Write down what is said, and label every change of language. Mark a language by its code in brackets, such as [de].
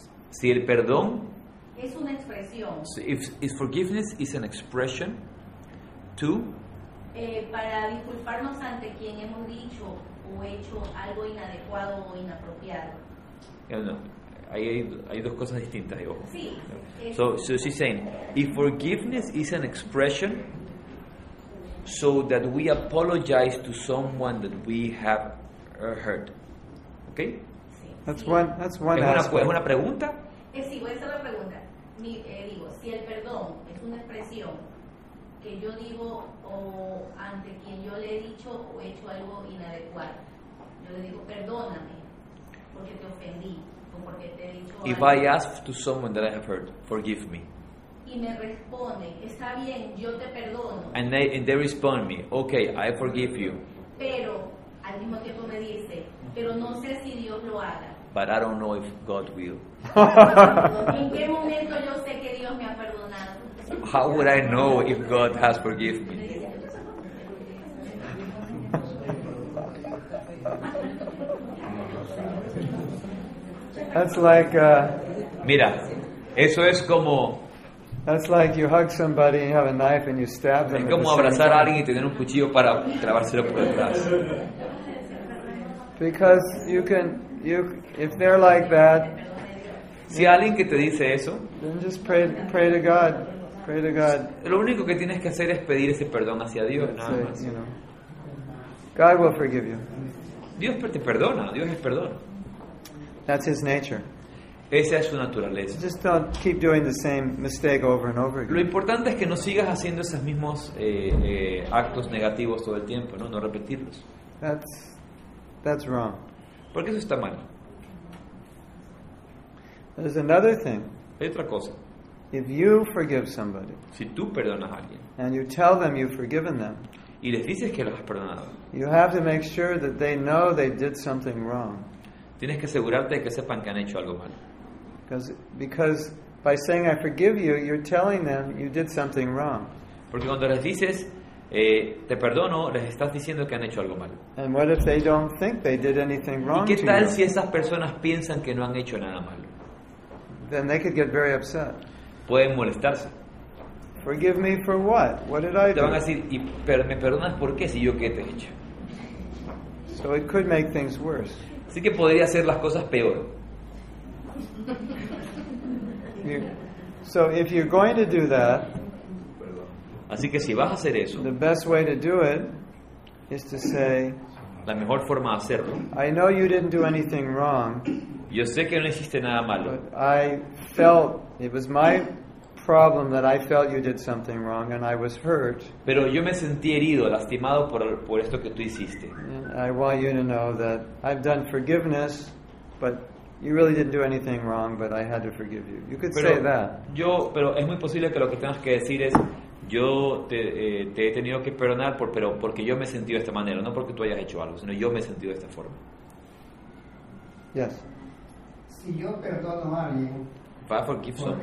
[es] Si el perdón es una expresión. [en] If forgiveness is an expression to [es] para disculparnos ante quien hemos dicho o hecho algo inadecuado o inapropiado. Yeah, no. Hay dos cosas distintas, ojo. Sí. [en] So she's saying, if forgiveness is an expression so that we apologize to someone that we have hurt. Okay? That's one [es] es una aspect. ¿Es una pregunta? Sí, voy a hacer la pregunta. Digo, si el perdón es una expresión que yo digo o ante quien yo le he dicho o hecho algo inadecuado, yo le digo, perdóname porque te ofendí. [en] If I ask to someone that I have hurt, forgive me. [es] Y me responde, está bien, yo te perdono. [en] And they respond me, okay, I forgive you. [es] Pero al mismo tiempo me dice, pero no sé si Dios lo haga. [en] But I don't know if God will. [es] ¿En qué momento yo sé que Dios me ha perdonado? [en] How would I know if God has forgiven me? That's like [es] mira, eso es como. [en] That's like you hug somebody and you have a knife and you stab them. [es] Es como abrazar a alguien y tener un cuchillo para clavárselo por detrás. [en] Because you can, if they're like that. [es] Si alguien que te dice eso. [en] Then just pray to God, pray to God. [es] Lo único que tienes que hacer es pedir ese perdón hacia Dios. Nada más. [en] You know, God will forgive you. [es] Dios te perdona. Dios es perdón. [en] That's his nature. [es] Esa es su naturaleza. [en] Just don't keep doing the same mistake over and over again. [es] Lo importante es que no sigas haciendo esos mismos actos negativos todo el tiempo, ¿no? No repetirlos. [en] That's wrong. [es] Porque eso está mal. [en] There's another thing. [es] Hay otra cosa. [en] If you forgive somebody, [es] si tú perdonas a alguien, [en] and you tell them you've forgiven them, [es] y les dices que los has perdonado, [en] you have to make sure that they know they did something wrong. [es] Tienes que asegurarte de que sepan que han hecho algo mal. [en] Because by saying I forgive you, you're telling them you did something wrong. [es] Porque cuando les dices te perdono, les estás diciendo que han hecho algo mal. [en] And what if they don't think they did anything wrong? [es] ¿Y qué tal [en] to [es] si esas personas piensan que no han hecho nada malo? [en] Then they could get very upset. [es] Pueden molestarse. [en] Forgive me for what? What did I do? [es] Te van a decir, ¿y me perdonas por qué si yo qué te he hecho? [en] So it could make things worse. [es] Así que podría hacer las cosas peor. [en] So if you're going to do that, [es] así que si vas a hacer eso, [en] the best way to do it is to say, [es] la mejor forma de hacerlo, [en] I know you didn't do anything wrong. [es] Yo sé que no hiciste nada malo. [en] But I felt it was my problem that I felt you did something wrong and I was hurt. [es] Pero yo me sentí herido, lastimado por esto que tú hiciste. [en] And I want you to know that I've done forgiveness, but you really didn't do anything wrong, but I had to forgive you. You could [es] pero [en] say that. [es] Yo, pero es muy posible que lo que tengas que decir es, yo te he tenido que perdonar porque yo me he sentido de esta manera, no porque tú hayas hecho algo, sino yo me he sentido de esta forma. [en] Yes. [es] Si yo perdono a alguien, para [en] forgive someone,